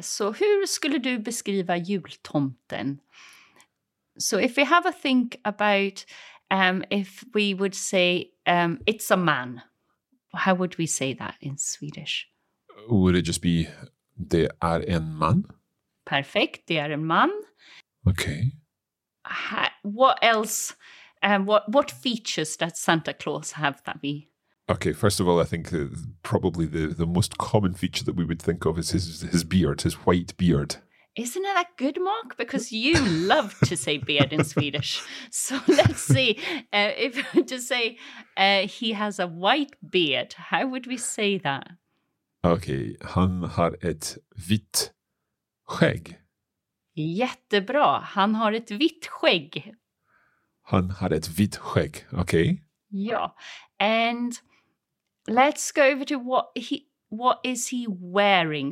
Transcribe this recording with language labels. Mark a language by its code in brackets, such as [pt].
[sv] So hur skulle du beskriva jultomten? [en] So if we have a think about if we would say it's a man, how would we say that in Swedish? Would it just be [sv] det är en man? Perfect. Det är en man. [en] Okay. What else? What features does Santa Claus have that we... Okay, first of all, I think probably the most common feature that we would think of is his beard, his white beard. Isn't it that good, Mark? Because you love to say beard in Swedish. So let's see. If to say he has a white beard, how would we say that? [sv] Okay, han har ett vitt skägg. Jättebra. Han har ett vitt skägg. Han har ett vitt skägg, okay. [en] Ja, and... Let's go over to what is he wearing.